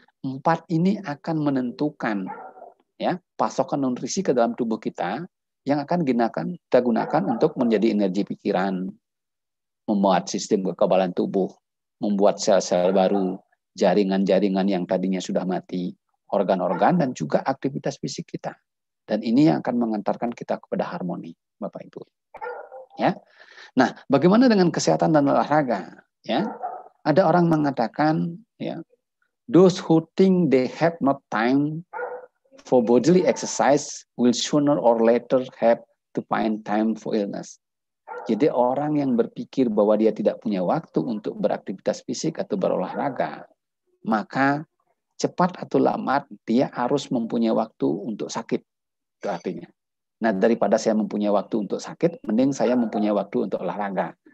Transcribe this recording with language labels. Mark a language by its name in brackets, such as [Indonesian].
[Indonesian] Empat ini akan menentukan ya pasokan nutrisi ke dalam tubuh kita yang akan kita gunakan untuk menjadi energi pikiran, membuat sistem kekebalan tubuh, membuat sel-sel baru, jaringan-jaringan yang tadinya sudah mati, organ-organ, dan juga aktivitas fisik kita. Dan ini yang akan mengantarkan kita kepada harmoni, Bapak Ibu. Ya. Nah, bagaimana dengan kesehatan dan olahraga? Ya. Ada orang mengatakan, ya, [English] those who think they have not time for bodily exercise will sooner or later have to find time for illness. [Indonesian] Jadi orang yang berpikir bahwa dia tidak punya waktu untuk beraktivitas fisik atau berolahraga, maka cepat atau lambat dia harus mempunyai waktu untuk sakit. Itu artinya. Nah, daripada saya mempunyai waktu untuk sakit, mending saya mempunyai waktu untuk olahraga.